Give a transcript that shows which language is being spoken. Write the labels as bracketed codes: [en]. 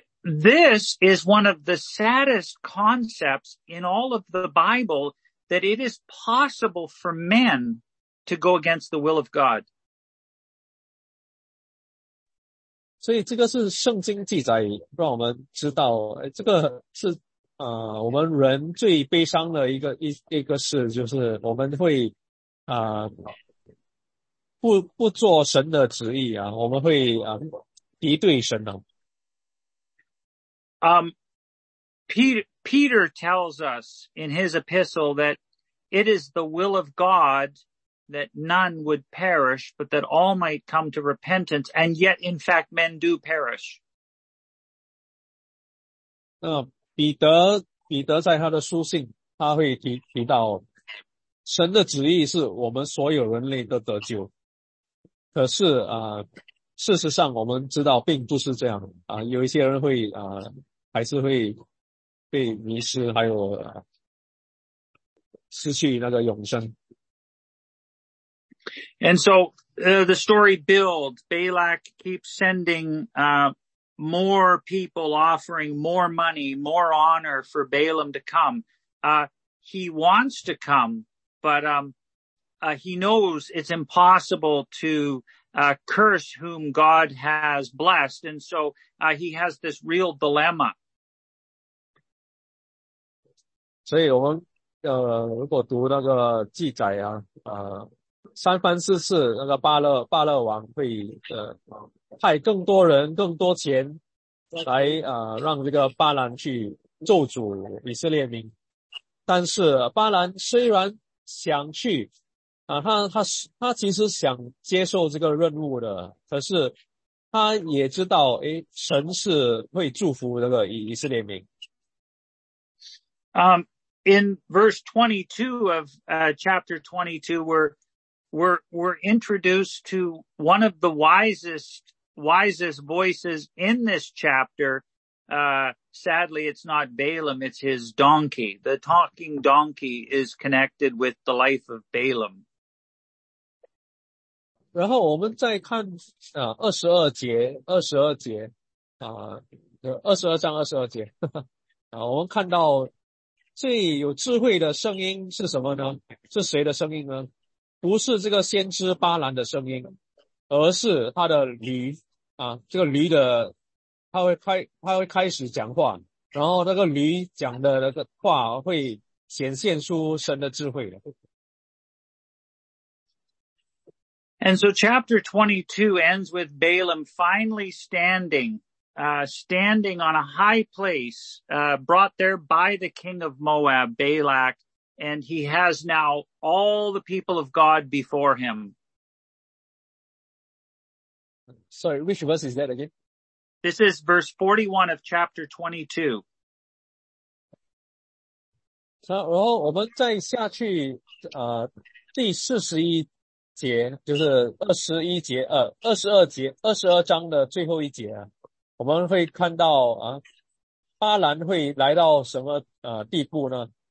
[en] This is one of the saddest concepts in all of the Bible, that it is possible for men to go against the will of God. [zh] 所以这个是圣经记载，让我们知道，这个是我们人最悲伤的一个事，就是我们会不做神的旨意啊，我们会敌对神的。 [en] Peter tells us in his epistle that it is the will of God that none would perish, but that all might come to repentance, and yet in fact men do perish. [zh] 彼得在他的书信，他会提到神的旨意是我们所有人类的得救，可是事实上我们知道并不是这样有一些人会还是会被迷失，还有失去那个永生。 [en] And so, the story builds. Balak keeps sending, more people offering more money, more honor for Balaam to come. He wants to come, but, he knows it's impossible to, curse whom God has blessed. And so, he has this real dilemma. [zh] 所以我们如果读那个记载三番四次那个巴勒王会派更多人更多钱来让这个巴兰去咒诅以色列民。但是巴兰虽然想去他其实想接受这个任务的，可是他也知道神是会祝福那个以色列民。 [en] In verse 22 of chapter 22, we're introduced to one of the wisest voices in this chapter, sadly, it's not Balaam, it's his donkey. The talking donkey is connected with the life of Balaam. [zh] 然后我们再看22章22节啊，我们看到这里有智慧的声音是什么呢？是谁的声音呢？不是这个先知巴兰的声音，而是他的驴啊，这个驴的他会开始讲话，然后那个驴讲的那个话会显现出神的智慧的。 [en] And so chapter 22 ends with Balaam finally standing on a high place, brought there by the king of Moab, Balak, and he has now all the people of God before him. Sorry, which verse is that again? This is verse 41 of chapter 22. [zh] 然后我们再下去第41节，就是22章的最后一节啊，我们会看到巴兰会来到什么地步呢？